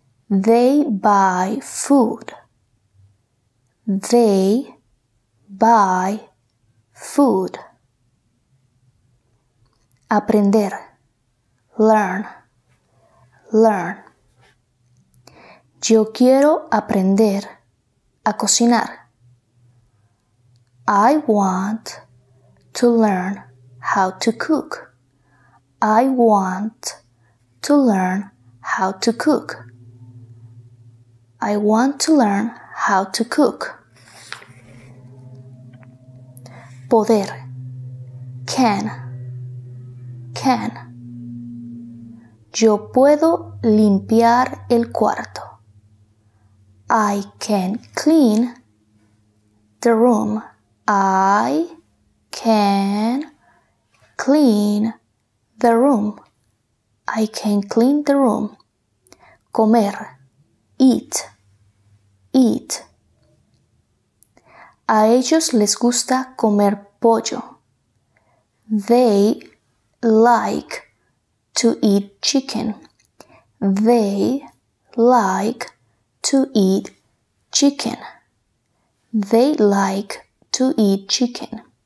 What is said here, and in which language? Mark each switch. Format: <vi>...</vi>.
<en>They buy food. They buy food. Aprender. Learn. Learn.</en> <es>Yo quiero aprender a cocinar.</es> <en>I want to learn how to cook. I want to learn how to cook. I want to learn how to cook. Poder. Can. Can.</en> <es>Yo puedo limpiar el cuarto.</es> <en>I can clean the room. I can clean the room. I can clean the room. Comer. Eat. Eat.</en> <es>A ellos les gusta comer pollo.</es> <en>They like to eat chicken. They like to eat chicken. They like to eat chicken.</en>